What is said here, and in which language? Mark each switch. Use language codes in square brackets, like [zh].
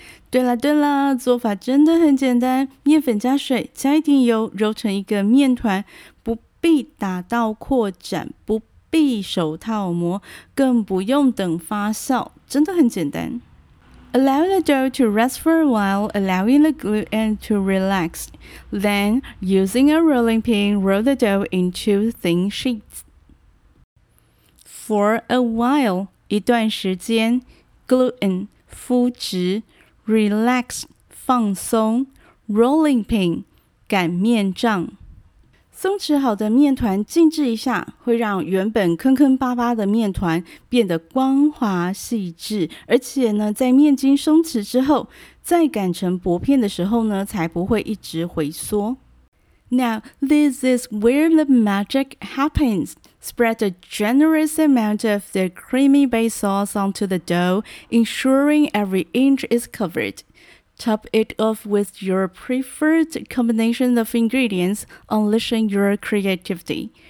[zh] 对啦对啦，做法真的很简单，面粉加水加一点油，揉成一个面团，不必打到扩展，不必手套膜，更不用等发酵，真的很简单。 [en] Allow the dough to rest for a while, allowing the gluten to relax. Then, using a rolling pin, roll the dough into thin sheets. [zh] For a while, 一段时间, gluten, 麸质, relax, 放松, rolling pin, 擀面杖。松弛好的面团静置一下，会让原本坑坑巴巴的面团变得光滑细致，而且呢，在面筋松弛之后，再擀成薄片的时候呢，才不会一直回缩。 [en] Now, this is where the magic happens. Spread a generous amount of the creamy base sauce onto the dough, ensuring every inch is covered. Top it off with your preferred combination of ingredients, unleashing your creativity.